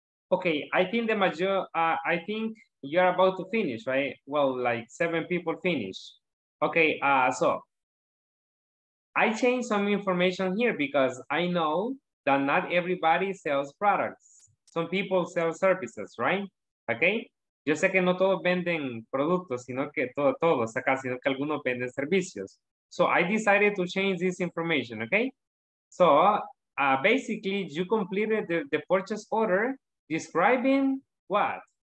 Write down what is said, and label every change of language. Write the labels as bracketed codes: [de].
[en] Okay, I think the major, I think you're about to finish, right? Well, like 7 people finish. Okay, so I changed some information here because I know that not everybody sells products. Some people sell services, right? [es] Okay, yo sé que no todos venden productos, sino que todos acá, sino que algunos venden servicios. [en] So I decided to change this information, okay? So basically, you completed the purchase order. Describing what?